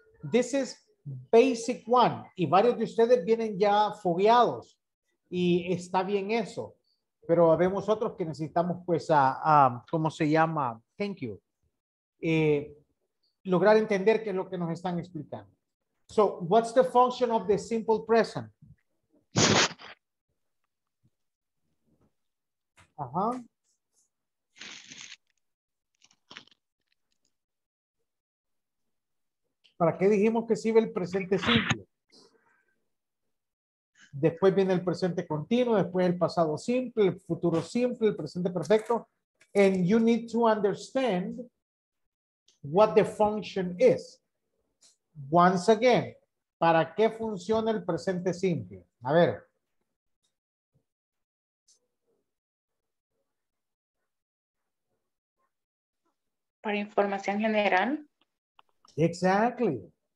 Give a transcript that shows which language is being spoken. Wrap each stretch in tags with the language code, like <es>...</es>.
<en>This is basic 1</en> <es>y varios de ustedes vienen ya fogueados. Y está bien eso, pero vemos otros que necesitamos, pues, lograr entender qué es lo que nos están explicando.</es> <en>So, what's the function of the simple present?</en> <es>¿Para qué dijimos que sirve el presente simple? Después viene el presente continuo, después el pasado simple, el futuro simple, el presente perfecto.</es> <en>And you need to understand what the function is. Once again,</en> <es>¿para qué funciona el presente simple? A ver. Para información general.</es> <en>Exactly.</en>